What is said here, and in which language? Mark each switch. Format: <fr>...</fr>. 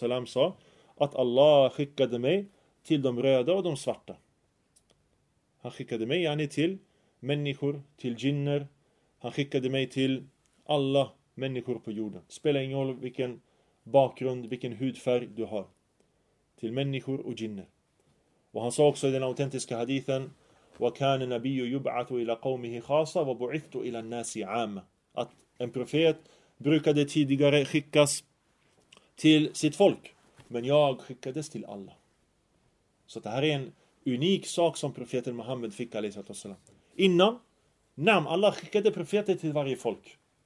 <sv>sa att Allah skickade mig till de röda och de svarta. Han skickade mig, yani, till människor, till jinner. Han skickade mig till alla människor på jorden. Spelar ingen roll vilken bakgrund, vilken hudfärg du har. Till människor och jinner. Och han sa också i den autentiska hadithen:</sv> <ar>وَكَانَ نَبِيُّ يُبْعَثُ إِلَى قَوْمِهِ خَاصَ وَبُعِثُ إِلَى النَّاسِ عَامَ.</ar> <sv>Att en profet brukade tidigare skickas till sitt folk. Men jag skickades till alla. Så det här är en unik sak som profeten Muhammed fick a.s. Innan, nam, alla skickade profeter till varje folk.</sv>